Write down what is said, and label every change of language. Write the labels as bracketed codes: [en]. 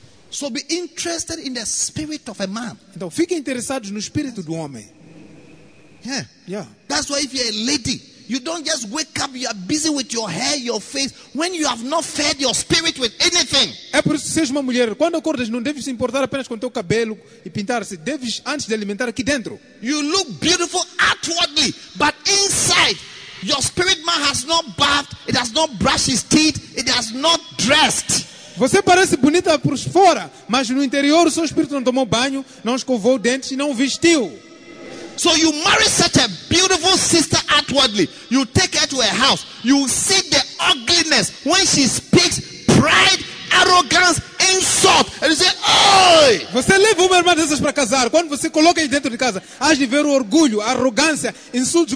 [en] So be interested in the spirit of a man. [pt] Então fique interessados no espírito do homem. [en] Yeah. That's why if you're a lady, you don't just wake up, you are busy with your hair, your face, when you have not fed your spirit with anything. [pt] É por isso que seja uma mulher. Quando acordas, não deves se importar apenas com teu cabelo e pintar-se. Deves antes de alimentar aqui dentro. [en] You look beautiful outwardly, but inside, your spirit man has not bathed, it has not brushed his teeth, it has not dressed. [pt] Você parece bonita por fora, mas no interior o seu espírito não tomou banho, não escovou dentes e não vestiu. [en] So you marry such a beautiful sister outwardly. You take her to her house. You see the ugliness when she speaks pride, arrogance, insult. And you say, "Oi!" [pt] Você leva uma irmã dessas para casar. Quando você coloca aí dentro de casa, age de ver o orgulho, a arrogância, insulto.